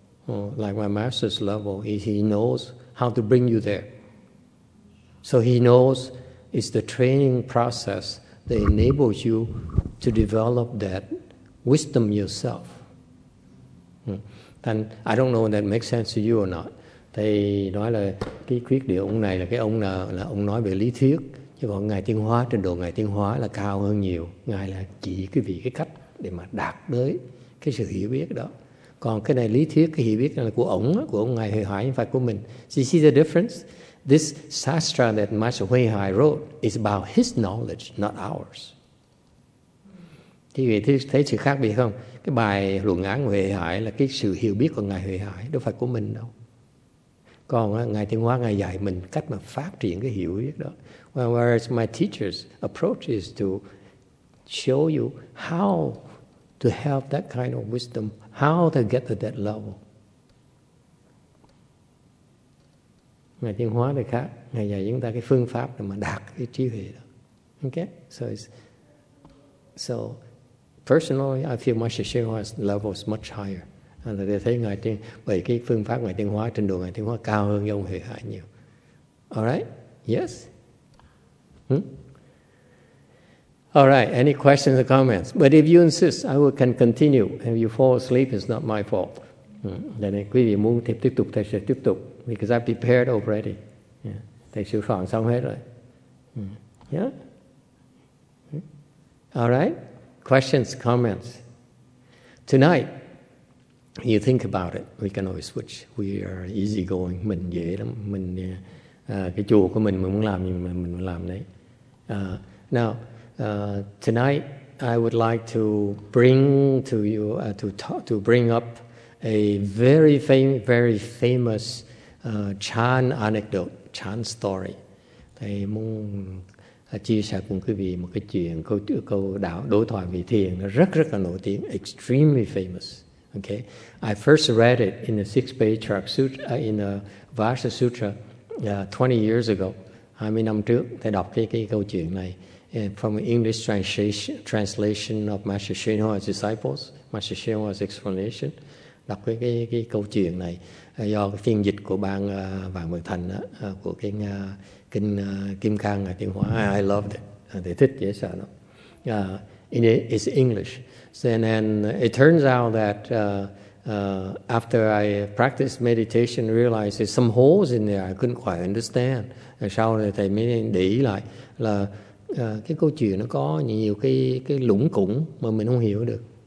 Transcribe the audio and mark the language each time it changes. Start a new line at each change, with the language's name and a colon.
English: Like my master's level, he knows how to bring you there. So he knows it's the training process that enables you to develop that wisdom yourself. And I don't know if that makes sense to you or not.
Vietnamese: Thầy nói là cái khuyết điểm ông này là cái ông là ông nói về lý thuyết, chứ còn ngài tiến hóa, trình độ ngài tiến hóa là cao hơn nhiều. Ngài là chỉ cái vị cái cách để mà đạt tới cái sự hiểu biết đó. Còn cái này lý thuyết, cái hiểu biết là của ông ngài Huệ Hải, phải của mình.
English: So you see the difference? This sastra that Master Huệ Hải wrote is about his knowledge, not ours.
Vietnamese: Thì thấy sự khác biệt không? Cái bài luận án Huệ Hải là cái sự hiểu biết của ngài Huệ Hải, đâu phải của mình đâu. Còn ngài Thiên Hóa, ngài dạy mình cách mà phát triển cái hiểu biết đó.
English: Well, whereas my teacher's approach is to show you how to have that kind of wisdom, how to get to that level.
Vietnamese: Ngài Thiên Hóa thì khác, ngài dạy chúng ta cái phương pháp để mà đạt cái trí huệ đó.
English: Okay, so personally, I feel Master Shenghua's level is much higher. And they
Vietnamese: thấy ngài Thiên, bởi cái phương pháp ngài Thiên Hóa, trình độ ngài Thiên Hóa cao hơn ông Huệ Hải nhiều.
English: All right, yes. All right, any questions or comments? But if you insist, I will can continue. If you fall asleep, it's not my fault.
Vietnamese: Then quý vị muốn thì tiếp tục, thầy sẽ tiếp tục.
English: Because I prepared already.
Vietnamese: Thầy sửa soạn xong hết rồi.
English: All right, questions, comments. Tonight, you think about it. We can always switch. We are easygoing.
Vietnamese: Mình dễ lắm. Mình cái chùa của mình muốn làm gì mình làm đấy.
English: Now, tonight I would like to bring to you to bring up a very famous Chan anecdote, Chan story.
Vietnamese: Thầy muốn chia sẻ cùng quý vị một cái chuyện câu đạo đối thoại vị thiền nó rất là nổi tiếng,
English: extremely famous. Okay, I first read it in the six-page Trak Sutra in the Vasa Sutra 20 years ago.
Vietnamese: 20 năm trước thầy đọc cái câu chuyện này.
English: And from an English translation of Master Shenhua's disciples, Master Shenhua's explanation,
Vietnamese: đọc cái câu chuyện này do cái phiên dịch của ban Vạn Vật Thành của cái kinh Kim Cang Ngài Tiên Hóa.
English: I loved it.
Vietnamese: Thầy thích dễ sợ lắm.
English: It's English. And it turns out that after I practiced meditation, realized there's some holes in there I couldn't quite understand.
Vietnamese: And sau này thầy mới để ý lại là cái câu chuyện nó có nhiều cái lủng củng mà mình không hiểu được.